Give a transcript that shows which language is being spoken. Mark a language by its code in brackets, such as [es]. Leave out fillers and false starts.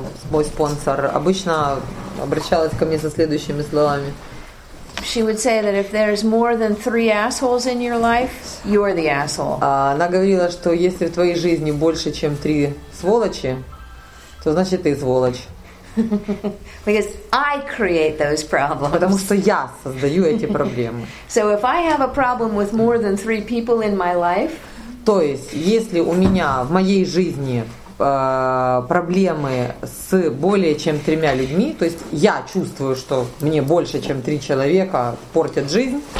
[ru] Мой спонсор обычно обращалась ко мне со следующими словами. [en] She would say that if there's more than three assholes in your life, you're the asshole. [ru] Она говорила, что если в твоей жизни больше, чем три сволочи, то значит ты сволочь. [en] Because I create those problems. [ru] Потому что я создаю эти проблемы. [en] So if I have a problem with more than three people in my life, [ru] то есть если у меня в моей жизни проблемы с более чем тремя людьми, то есть я чувствую, что мне больше, чем три человека портят жизнь.